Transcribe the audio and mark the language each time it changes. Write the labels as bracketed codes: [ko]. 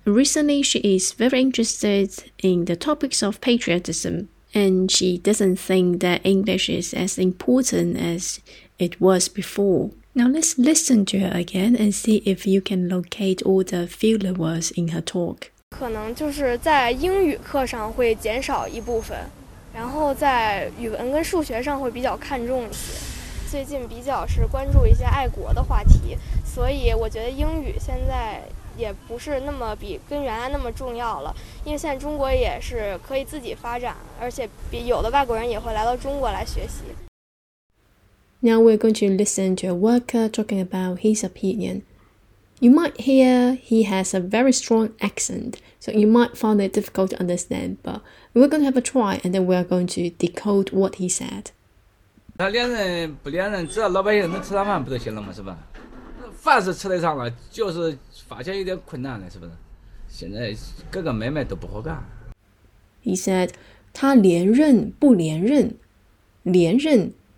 [en] Recently, she is very interested in the topics of patriotism and she doesn't think that English is as important as it was before. Now let's listen to her again and see if you can locate all the filler words in her talk. [zh] 可能就是在英语课上会减少一部分，然后在语文跟数学上会比较看重一些。最近比较是关注一些爱国的话题，所以我觉得英语现在也不是那么比跟原来那么重要了，因为现在中国也是可以自己发展，而且比有的外国人也会来到中国来学习。 [en] Now we're going to listen to a worker talking about his opinion. You might hear he has a very strong accent, so you might find it difficult to understand, but we're going to have a try and then we're going to decode what he said. [zh] 他连人不连人，只要老百姓能吃上饭不就行了吗？是吧？饭是吃得上了，就是发现有点困难了，是不是？现在各个买卖都不好干。 [en] He said, [zh] 他连任不连任，连任。